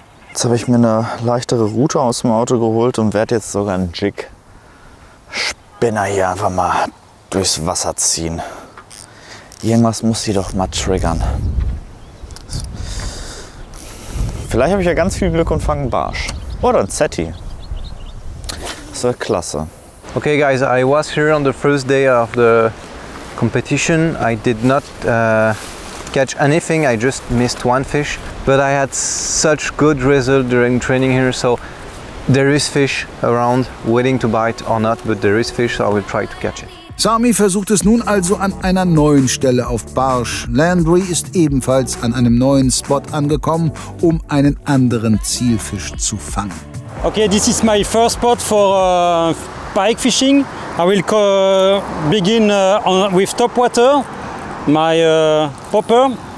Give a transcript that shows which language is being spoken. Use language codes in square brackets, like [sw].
[de] Jetzt habe ich mir eine leichtere Route aus dem Auto geholt und werde jetzt sogar einen Jig-Spinner hier einfach mal durchs Wasser ziehen. Irgendwas muss sie doch mal triggern. Vielleicht habe ich ja ganz viel Glück und fange einen Barsch. Oder einen Zetti. Klasse. [en] Okay guys, I was here on the first day of the competition. I did not catch anything, I just missed one fish. But I had such good result during training here, so there is fish around, waiting to bite or not, but there is fish, so I will try to catch it. [de] Sami versucht es nun also an einer neuen Stelle auf Barsch. Landry ist ebenfalls an einem neuen Spot angekommen, um einen anderen Zielfisch zu fangen. [en] Okay, this is my first spot for pike fishing. I will begin with top water, my popper.